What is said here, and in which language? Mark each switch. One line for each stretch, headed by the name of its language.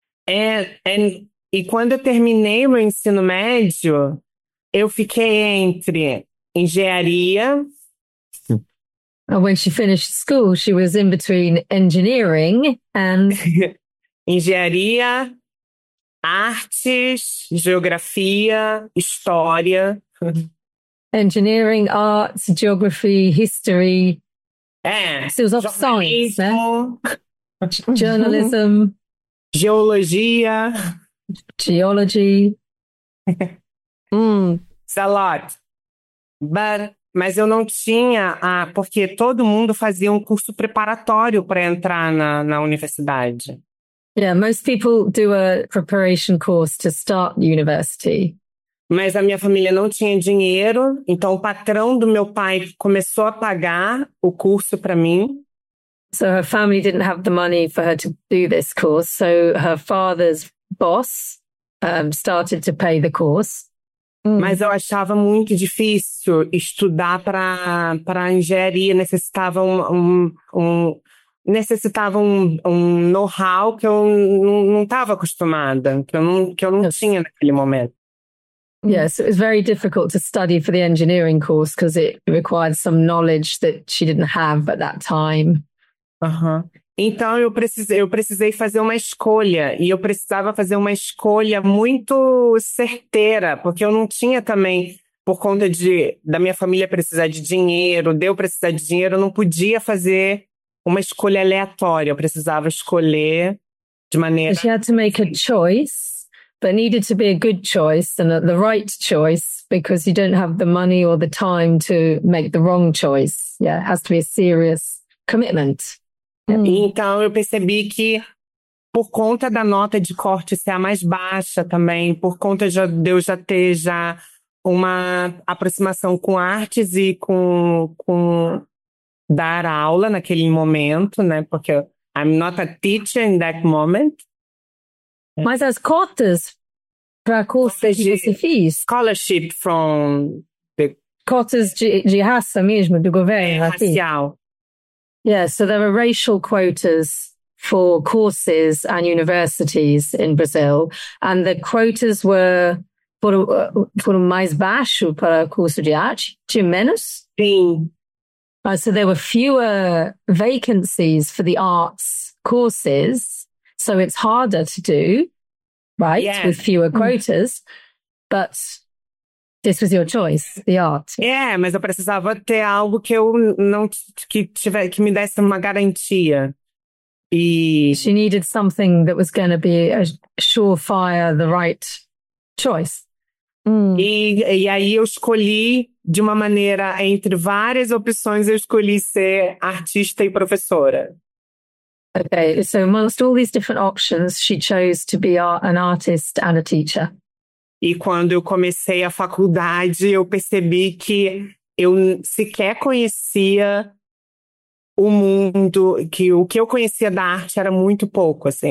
Portuguese: E quando eu terminei o ensino médio, eu fiquei entre engenharia.
English: And when she finished school, she was in between engineering and...
Portuguese: Engenharia, artes, geografia, história.
English: Engineering, arts, geography, history. So it was of science, né? Journalism.
Portuguese: Geologia.
English: Geology. It's a lot.
Portuguese: Mas eu não tinha, porque todo mundo fazia um curso preparatório para entrar na universidade.
English: Yeah, most people do a preparation course to start university.
Portuguese: Mas a minha família não tinha dinheiro, então o patrão do meu pai começou a pagar o curso para mim.
English: So her family didn't have the money for her to do this course, so her father's boss started to pay the course.
Portuguese: Mas eu achava muito difícil estudar para engenharia, necessitava um know-how que eu não estava acostumada, que eu não yes. tinha naquele momento.
English: Yes, it was very difficult to study for the engineering course because it required some knowledge that she didn't have at that time. Uh-huh.
Portuguese: Então eu precisei fazer uma escolha, e eu precisava fazer uma escolha muito certeira, porque eu não tinha também, por conta da minha família precisar de dinheiro, de eu precisar de dinheiro, eu não podia fazer uma escolha aleatória, eu precisava escolher de maneira...
English: She had to make a choice, but needed to be a good choice and the right choice, because you don't have the money or the time to make the wrong choice. Yeah, it has to be a serious commitment.
Portuguese: Então, eu percebi que, por conta da nota de corte ser a mais baixa também, por conta de eu já ter já uma aproximação com artes e com dar aula naquele momento, né? Porque
English: I'm not a teacher in that moment.
Portuguese: Mas as cotas para cursos que você fez?
English: Scholarship from...
Portuguese: Cotas de raça mesmo, do governo.
English: Racial. Yeah, so there are racial quotas for courses and universities in Brazil. And the quotas were for
Portuguese: mais baixo para curso de arte, de menos? Sim.
English: So there were fewer vacancies for the arts courses. So it's harder to do, right, yes. with fewer quotas. But This was your choice, the art.
Portuguese: Yeah, mas eu precisava ter algo que eu não que tivesse que me desse uma garantia. E
English: she needed something that was going to be a surefire, the right choice.
Portuguese: E aí eu escolhi de uma maneira entre várias opções, eu escolhi ser artista e professora.
English: Okay, so amongst all these different options, she chose to be an artist and a teacher.
Portuguese: E quando eu comecei a faculdade, eu percebi que eu sequer conhecia o mundo, que o que eu conhecia da arte era muito pouco, assim.